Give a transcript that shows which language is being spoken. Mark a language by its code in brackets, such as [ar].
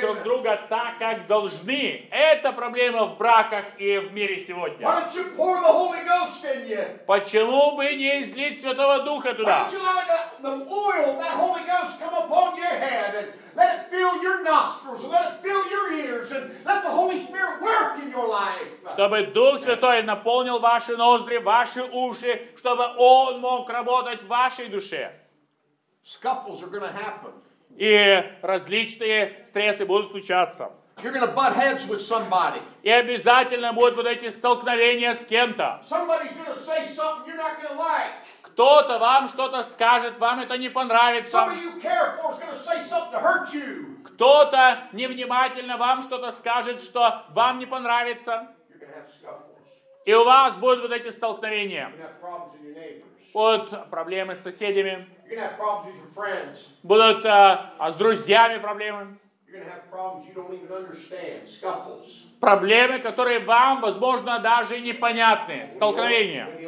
[ru] Друг друга так, как должны. Это проблема в браках и в мире сегодня. [en] Why don't you pour the Holy Ghost in you? [ru] Почему бы не излить Святого Духа туда? [en] Why don't you let the oil, that Holy Ghost, come upon your head and let it fill your nostrils, let it fill your ears, and let the Holy Spirit work in your life. [ru] Чтобы Дух Святой наполнил ваши ноздри, ваши уши, чтобы Он мог работать в вашей душе. [en] Scuffles are going to happen. [ru] И различные стрессы будут случаться. [en] You're going to butt heads with somebody. [ru] И обязательно будут вот эти столкновения с кем-то. [en] Somebody's going to say something you're not going to like. [ru] Кто-то вам что-то скажет, вам это не понравится. [en] Somebody you care for is going to say something to hurt you. [ru] Кто-то невнимательно вам что-то скажет, что вам не понравится. [en] You're going to have scuffles. [ru] И у вас будут вот эти столкновения. [en] You're going to have problems with your neighbors. [ru] Вот проблемы с соседями. [en] You're going to have problems with your friends. [ru] Будут с друзьями проблемы. [en] You're going to have problems you don't even understand. Scuffles. [ru] Проблемы, которые вам, возможно, даже непонятны. Столкновения.